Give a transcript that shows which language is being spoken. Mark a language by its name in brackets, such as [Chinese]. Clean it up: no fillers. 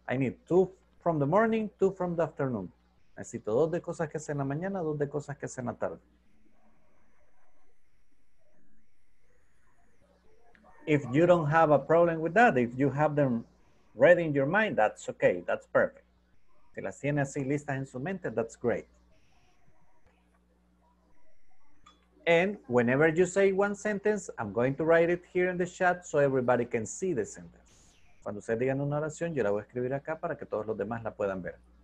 [English] I need 2 from the morning, 2 from the afternoon. [Spanish] Necesito 2 de cosas que hacer en la mañana, 2 de cosas que hacer en la tarde. [English] If you don't have a problem with that, if you have them ready in your mind, that's okay, that's perfect. [Spanish] Si las tiene así listas en su mente, [English] that's great. And whenever you say 1 sentence, I'm going to write it here in the chat so everybody can see the sentence. [Spanish] Cuando ustedes digan una oración, yo la voy a escribir acá para que todos los demás la puedan ver.